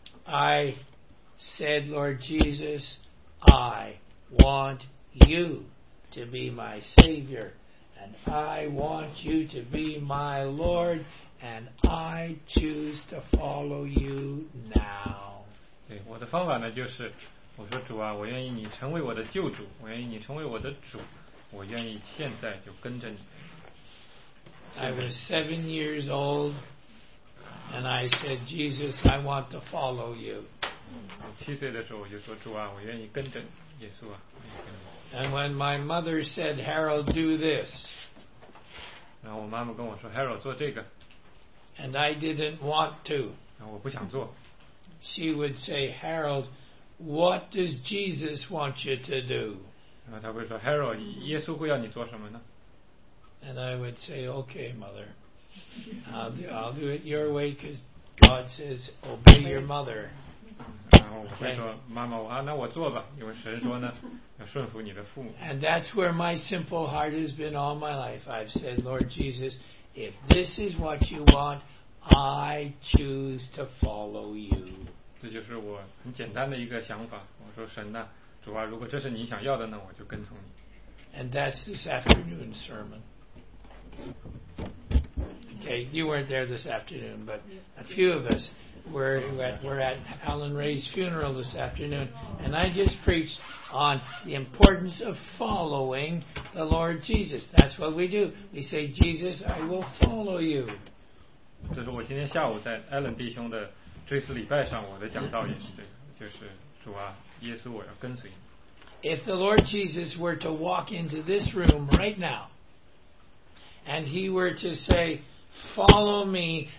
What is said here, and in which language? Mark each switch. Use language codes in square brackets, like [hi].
[en] I said, Lord Jesus, I want you to be my Savior, and I want you to be my Lord, and I choose to follow you now. [zh] 对，我的方法呢，就是我说主啊，我愿意你成为我的救主，我愿意你成为我的主，我愿意现在就跟着你。 [en] I was 7 years old. And I said, Jesus, I want to follow you. [zh] 七岁的时候我就说主啊，我愿意跟着耶稣啊。 [en] And when my mother said, Harold, do this. [zh] 然后我妈妈跟我说 ，Harold， 做这个。 [en] And I didn't want to. [zh] 然后我不想做。 [en] She would say, Harold, what does Jesus want you to do? [zh] 然后她会说 ，Harold， 耶稣会要你做什么呢 [en] ？And I would say, Okay, mother. I'll do it your way because God says obey your mother. [zh] 然后我会说妈妈我啊那我做吧，因为神说呢要顺服你的父母。 [en] And that's where my simple heart has been all my life. I've said, Lord Jesus, if this is what you want, I choose to follow you. [zh] 这就是我很简单的一个想法。我说神呐，主啊，如果这是你想要的呢，我就跟从你。 [en] And that's this afternoon's sermon. Okay, you weren't there this afternoon, but a few of us were at Alan Ray's funeral this afternoon, and I just preached on the importance of following the Lord Jesus. That's what we do. We say, Jesus, I will follow you. [zh] 这是我今天下午在 Alan 弟兄的追思礼拜上我的讲道也是这个，就是主啊，耶稣，我要跟随你。 [en] If the Lord Jesus were to walk into this room right now, and he were to say,Follow me.